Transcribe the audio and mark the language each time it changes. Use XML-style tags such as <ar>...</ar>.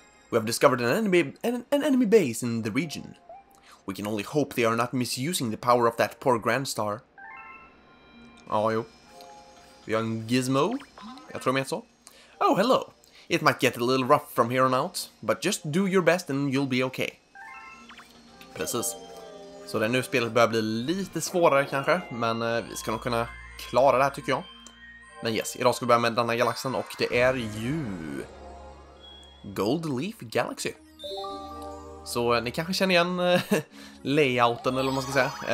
<en>We have discovered an enemy base in the region. We can only hope they are not misusing the power of that poor grand star.</en> <sv>Ja, jo. Vi har en gizmo, jag tror de heter så.</sv> <en>Oh, hello. It might get a little rough from here on out, but just do your best and you'll be okay.</en> <sv>Precis. Så det nu spelet börjar bli lite svårare kanske, men vi ska nog kunna klara det här tycker jag. Men yes, idag ska vi börja med denna galaxen och det är ju... Gold Leaf Galaxy. Så ni kanske känner igen layouten eller vad man ska säga.</sv>